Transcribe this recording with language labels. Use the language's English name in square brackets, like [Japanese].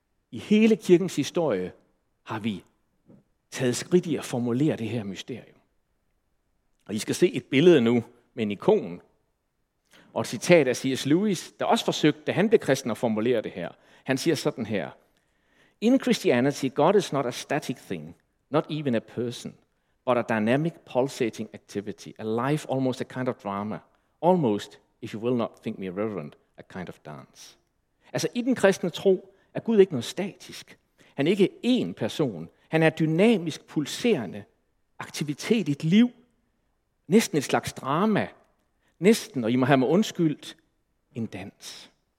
[Danish] I hele kirkens historie har vi taget skridt i at formulere det her mysterium. Og I skal se et billede nu med en ikon. Og et citat af C.S. Lewis, der også forsøgte, da han blev kristen, at formulere det her. Han siger sådan her. [English] In Christianity, God is not a static thing, not even a person, but a dynamic pulsating activity, a life almost a kind of drama, almost, if you will not think me irreverent, a kind of dance. [Danish] Altså i den kristne tro er Gud ikke noget statisk. Han er ikke én person. Han er dynamisk pulserende aktivitet i et liv. Næsten et slags drama. Næsten, og I må have mig undskyldt, en dans.